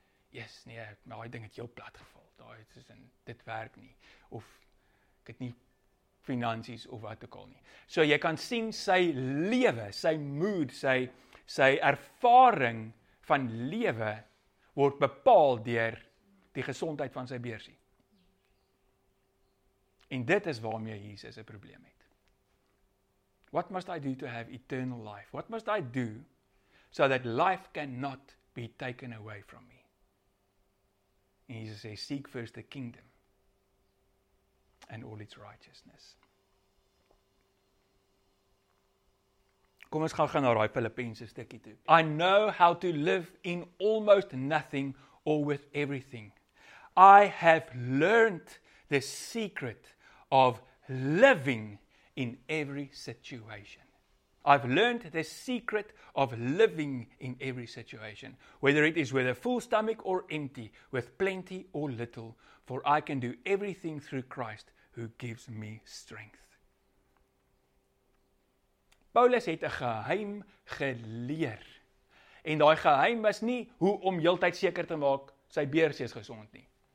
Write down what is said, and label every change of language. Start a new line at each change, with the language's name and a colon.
Afrikaans: Jesus, nee, maar daai ding het heel plat geval. Daai is in dit werk nie of ek het nie finansies of wat ook al nie." So jy kan sien sy lewe, sy mood, sy ervaring van lewe word bepaal deur die gesondheid van sy beursie. En dit is waarmee Jesus 'n probleem het.
English: What must I do to have eternal life? What must I do so that life cannot be taken away from me?
Afrikaans: En Jesus sê,
English: seek first the kingdom and all its righteousness.
Afrikaans: Kom ons gaan na daai Filippense stukkie toe.
English: I know how to live in almost nothing or with everything. I have learned the secret of living in every situation. I've learned the secret of living in every situation, whether it is with a full stomach or empty, with plenty or little, for I can do everything through Christ who gives me strength.
Afrikaans: Paulus het 'n geheim geleer. En daai geheim was nie hoe om heeltyd seker te maak sy beursie is gesond nie.